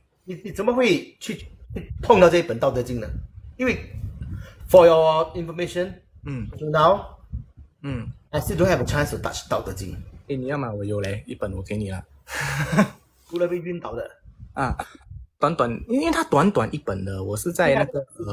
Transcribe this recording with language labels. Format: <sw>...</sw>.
<zh>你怎么会去碰到这一本《道德经》呢？因为</zh> <en>for your information， now。 I still don't have a chance to touch 道德经。</en> <zh>诶，你要吗？我有嘞，一本我给你了。读了被晕倒的。啊，短短，因为它短短一本的，我是在那个。</zh>